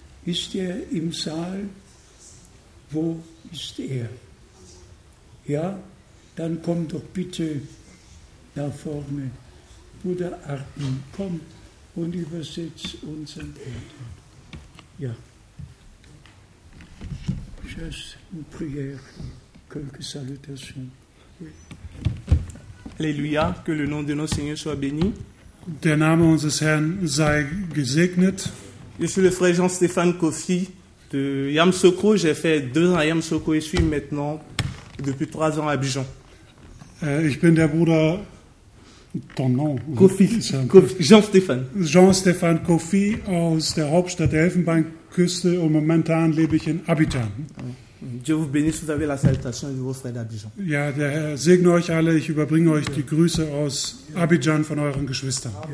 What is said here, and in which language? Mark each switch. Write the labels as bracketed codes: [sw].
[de] Ist er im Saal? Wo ist er? Ja, dann komm doch bitte nach vorne. Bruder Arten, komm und übersetz unseren Eltern. Ja. [fr] Just une prière, quelques salutations. Alléluia, que le nom de notre Seigneur soit béni. [de] Der Name unseres Herrn sei gesegnet. [fr] Je suis le frère Jean-Stéphane Kofi de Yamoussoukro. J'ai fait 2 ans à Yamoussoukro et suis maintenant depuis 3 ans à Abidjan. [de] Ich bin der Bruder, [fr] ton nom, Kofi. Jean-Stéphane. [de] Jean-Stéphane Kofi aus der Hauptstadt der Elfenbeinküste und momentan lebe ich in Abidjan. [fr] Dieu vous bénisse, vous avez la salutation de vos frères d'Abidjan. [de] Ja, der Herr segne euch alle, ich überbringe euch die Grüße aus Abidjan von euren Geschwistern.